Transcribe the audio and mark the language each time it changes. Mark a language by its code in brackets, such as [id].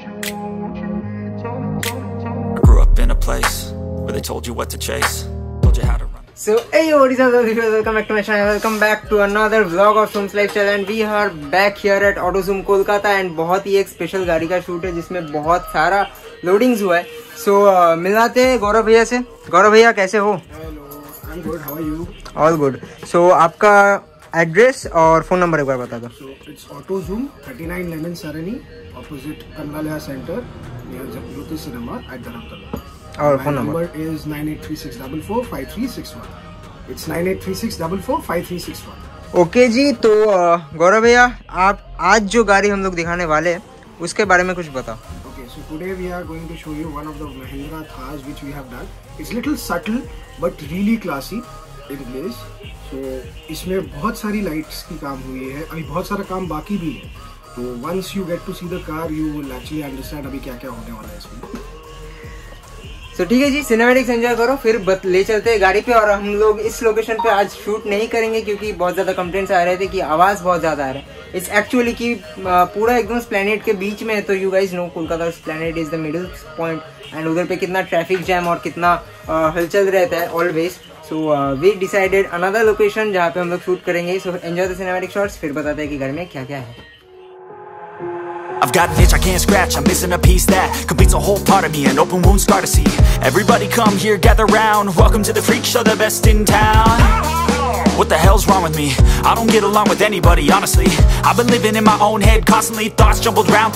[en] I grew up in a place where they told you what to chase, told you how to run. So hey, what is up, guys? Welcome back to my channel. Welcome back to another vlog of Soom's Lifestyle, and we are back here at AutoZoom Kolkata, and [hi] बहुत ही एक special गाड़ी का shoot है जिसमें बहुत सारा loadings हुआ है. So मिलाते हैं गौरव भैया से. गौरव भैया कैसे हो? [en] Good, how are you? All good. [hi] So, आपका एड्रेस और फोन नंबर एक बार बता दो. [en] It's auto zoom 39 Lenin Sarani opposite कन्वालिया centre near Jyoti cinema at Dharmatala. [hi] और phone number [en] Is 9836445361. It's 9836445361. [hi] Okay जी, तो गौरव भैया आप आज जो गाड़ी हम लोग दिखाने वाले हैं उसके बारे में कुछ बताओ. [en] So today we are going to show you one of the Mahindra Thars which we have done. It's little subtle but really classy in place. [hi] So इसमें बहुत सारी lights की काम हुई है, अभी बहुत सारा काम बाकी भी है. [en] So once you get to see the car, you will actually understand [hi] अभी क्या-क्या होने वाला है इसमें. So ठीक है जी, cinematics enjoy करो, फिर ले चलते हैं गाड़ी पे. और हम लोग इस location पे आज shoot नहीं करेंगे क्योंकि बहुत ज़्यादा complaints आ रहे थे कि आवाज़ बहुत ज़्यादा आ रहा है. इट्स एक्चुअली कि पूरा एकदम स्प्लेनेट के बीच में है, तो [en] you guys know Kolkata Esplanade is the middle point and [hi] उधर पे कितना ट्रैफिक जैम और कितना हलचल रहता है always. [en] so we decided another location [hi] जहाँ पे हम लोग शूट करेंगे. [en] so enjoy the cinematic shots, [hi] फिर बताते हैं कि घर में क्या क्या है. [en] I've got an itch I can't scratch, I'm missing a piece that completes a whole part of me, an open wound scar to see. Everybody come here, gather round, welcome to the freak show, the best in town. What the hell's wrong with me? I don't get along with anybody, honestly. I've been living in my own head, constantly thoughts jumbled round.